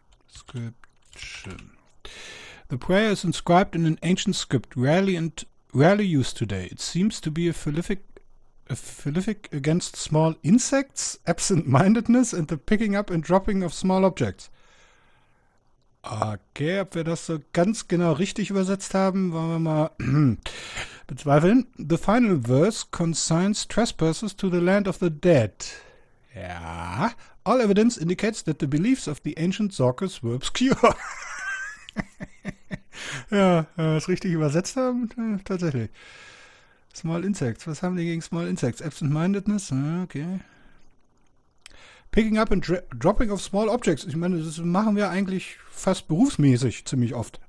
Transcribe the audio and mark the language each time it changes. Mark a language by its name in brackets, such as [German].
[English] Inscription. The prayer is inscribed in an ancient script. Rarely used today. It seems to be a philific against small insects, absent-mindedness and the picking up and dropping of small objects. [German] Okay, ob wir das so ganz genau richtig übersetzt haben, wollen wir mal bezweifeln. [English] The final verse consigns trespassers to the land of the dead. [German] Ja, [English] all evidence indicates that the beliefs of the ancient Zorkers were obscure. [German] Ja, wenn wir es richtig übersetzt haben, tatsächlich. Small Insects, was haben die gegen Small Insects? Absent-mindedness, okay. [English] Picking up and dropping of small objects, [German] ich meine, das machen wir eigentlich fast berufsmäßig ziemlich oft.